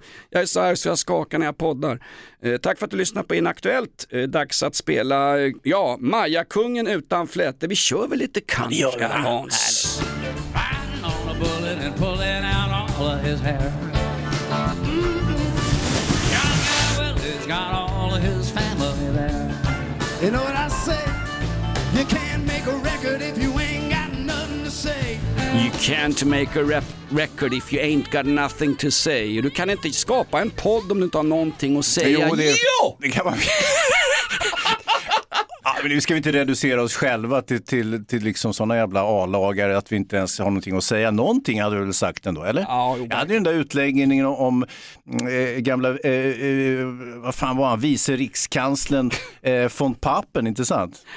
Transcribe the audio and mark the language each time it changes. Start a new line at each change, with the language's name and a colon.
Swedish: Jag är så här så jag skakar när jag poddar. Tack för att du lyssnar på Inaktuellt. Dags att spela Maja kungen utan fläte. Vi kör väl lite country, Hans.
English: Riding on a bullet and pulling out all of his hair. Young guy, well, he's got all of his family there. You know what I say? You can't make a record if you ain't got nothing to say. You can't make a record if you ain't got nothing to say.
Swedish: Du kan inte skapa en podd om du inte har någonting att säga. Jo, det kan man. Men nu ska vi inte reducera oss själva till liksom såna jävla A-lagare att vi inte ens har någonting att säga. Någonting hade du väl sagt ändå, eller? Ja, jag hade ju den där utläggningen om gamla, vad fan var han, vice rikskanslern von Papen, inte sant?